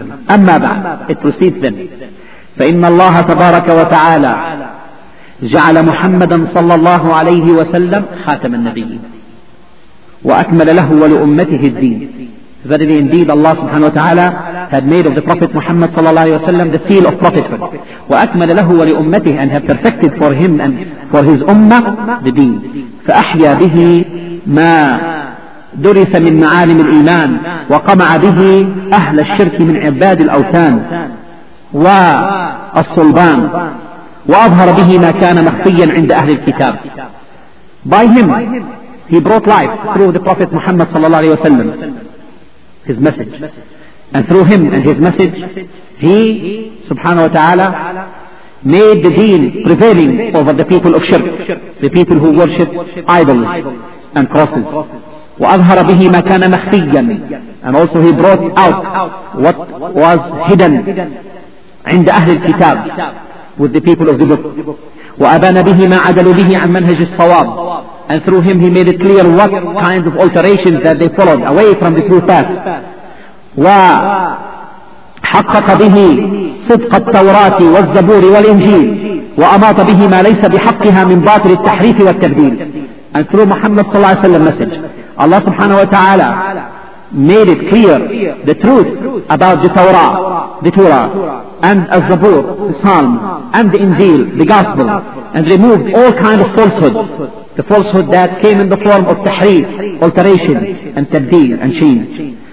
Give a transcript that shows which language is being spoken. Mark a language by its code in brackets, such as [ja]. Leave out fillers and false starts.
[ar] أما بعد، [en] it proceeds then. [ar] فإن الله تبارك وتعالى جعل محمدا صلى الله عليه وسلم خاتم النبيين وأكمل له ولأمته الدين. [en] Verily indeed Allah subhanahu wa ta'ala had made of the Prophet Muhammad صلى الله عليه وسلم the seal of prophethood. [ar] وأكمل له ولأمته [en] and have perfected for him and for his ummah the deen. [ar] فأحيا به ما درس من معالم الإيمان وقمع به أهل الشرك من عباد الأوثان والصلبان وأظهر به ما كان مخفيا عند أهل الكتاب. [en] By him he brought life through the Prophet Muhammad صلى الله عليه وسلم, his message, and through him and his message he سبحانه وتعالى made the deen prevailing over the people of shirk, the people who worship idols and crosses. [ar] وأظهر به ما كان مخفيا, [en] and also he brought out what was hidden [ar] عند أهل الكتاب [en] with the people of the book. [ar] وأبان به ما عدلوا به عن منهج الصواب, [en] and through him he made it clear what kinds of alterations that they followed away from the true path. [ar] وحقق به صدق التوراة والزبور والإنجيل, وأماط به ما ليس بحقها من باطل التحريف والتبديل. [en] And through Muhammad صلى الله عليه وسلم message, Allah subhanahu wa ta'ala made it clear the truth about the Torah, the Torah, and Al-Zabur, the Psalms, and the Injil, the Gospel, and removed all kinds of falsehood, the falsehood that came in the form of tahreef, alteration, and tabdeel, and change.